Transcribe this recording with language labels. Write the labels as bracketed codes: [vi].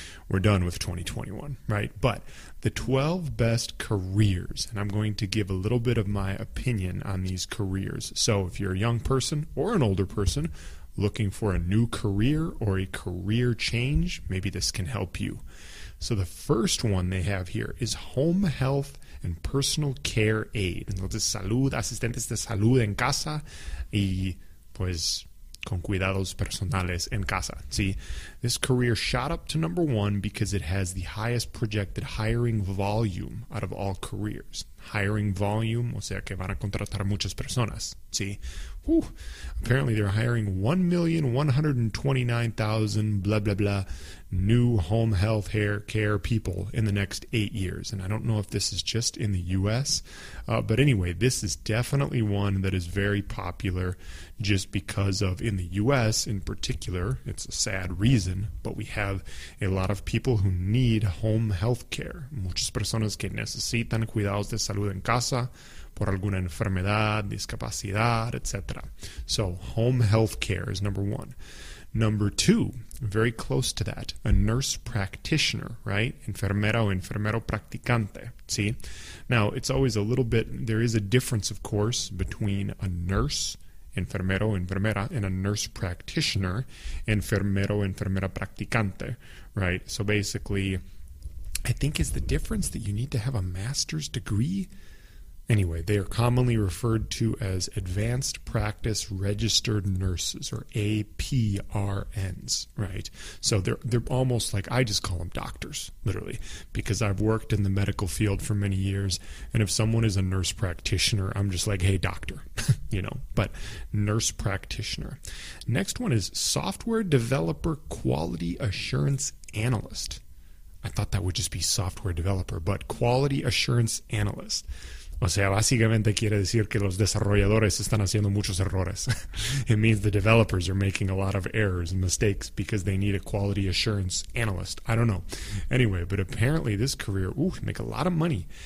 [en] We're done with 2021, right? But the 12 best careers, and I'm going to give a little bit of my opinion on these careers. So if you're a young person or an older person looking for a new career or a career change, maybe this can help you. So the first one they have here is home health and personal care aide. [es] Entonces, salud, asistentes de salud en casa y pues con cuidados personales en casa. [en] See, this career shot up to number one because it has the highest projected hiring volume out of all careers. [es] Hiring volume, o sea que van a contratar muchas personas. [en] See, whew. Apparently they're hiring 1,129,000 blah, blah, blah new home health care people in the next 8 years. And I don't know if this is just in the U.S., but anyway, this is definitely one that is very popular just because of, in the U.S. in particular, it's a sad reason, but we have a lot of people who need home health care. [es] Muchas personas que necesitan cuidados de salud en casa por alguna enfermedad, discapacidad, etc. [en] So home health care is number one. Number two, very close to that, a nurse practitioner, right? [es] Enfermero, enfermero practicante, [en] see? Now, it's always a little bit, there is a difference, of course, between a nurse, enfermero, enfermera, and a nurse practitioner, [es] enfermero, enfermera practicante, [en] right? So basically, I think is the difference that you need to have a master's degree. Anyway, they are commonly referred to as Advanced Practice Registered Nurses, or APRNs, right? So they're almost like, I just call them doctors, literally, because I've worked in the medical field for many years, and if someone is a nurse practitioner, I'm just like, hey, doctor, you know, but nurse practitioner. Next one is Software Developer Quality Assurance Analyst. I thought that would just be software developer, but Quality Assurance Analyst. [es] O sea, básicamente quiere decir que los desarrolladores están haciendo muchos errores. [en] It means the developers are making a lot of errors and mistakes because they need a quality assurance analyst. I don't know. Anyway, but apparently this career, make a lot of money.